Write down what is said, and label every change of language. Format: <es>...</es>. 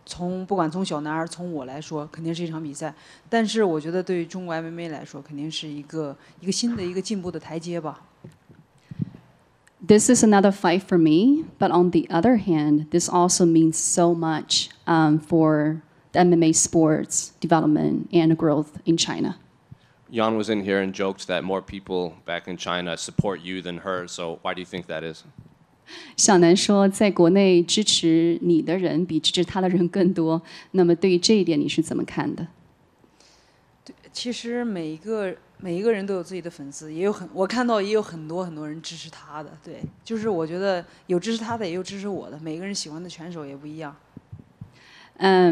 <zh>这次就像你说的，是第一次两位中国选手争夺这个冠军的头衔，那你觉得这是一个有特别的意义，尤其是你为你的国家在战斗，还是说这就是另一次卫冕而已？我觉得对，从我个人来讲，肯定是我觉得这是一场比赛，从不管从小男儿从我来说， 肯定是一场比赛，但是我觉得对于中国MMA来说，肯定是一个新的一个进步的台阶吧。</zh> <en>This is another fight for me, but on the other hand, this also means so much for the MMA sports development and growth in China. Yan was in here and joked that more people back in China support you than her, so why do you think that is?</en> <zh>小南说，在国内支持你的人比支持他的人更多，那么对于这一点，你是怎么看的？其实每一个人都有自己的粉丝，也有很我看到也有很多人支持他的，对，就是我觉得有支持他的，也有支持我的，每个人喜欢的选手也不一样。I</zh>